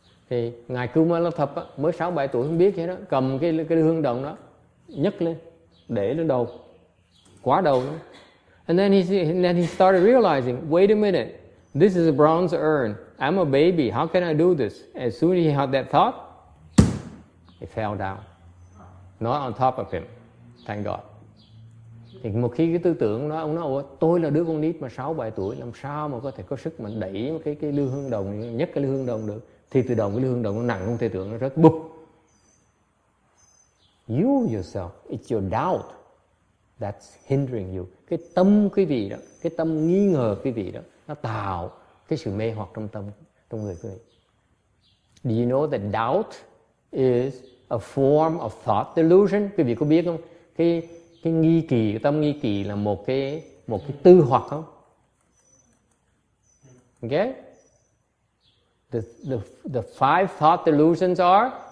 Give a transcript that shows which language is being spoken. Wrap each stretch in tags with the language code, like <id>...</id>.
<vi>Thì Ngài Kumala Thập mới 6-7 tuổi không biết vậy đó, cầm cái hương đồng đó nhấc lên để lên đầu. Quá đầu lắm.</vi> <en>And then he started realizing, wait a minute, this is a bronze urn. I'm a baby. How can I do this? As soon as he had that thought, it fell down. Not on top of him. Thank God.</en> <vi>Thì một khi cái tư tưởng đó, ông nói, tôi là đứa con nít mà 6-7 tuổi, làm sao mà có thể có sức mà đẩy cái lư hương đồng, nhấc cái lư hương đồng được. Thì tự động cái lư hương đồng nó nặng, không thể tưởng, nó rất bụp.</vi> <en>You yourself, it's your doubt. That's hindering you.</en> <vi>Cái tâm quý vị đó, cái tâm nghi ngờ quý vị đó, nó tạo cái sự mê hoặc trong tâm, trong người quý vị.</vi> <en>Do you know that doubt is a form of thought delusion?</en> <vi>Quý vị có biết không? Cái nghi kỳ, cái tâm nghi kỳ là một cái tư hoặc không?</vi> <en>Okay? The five thought delusions are?</en>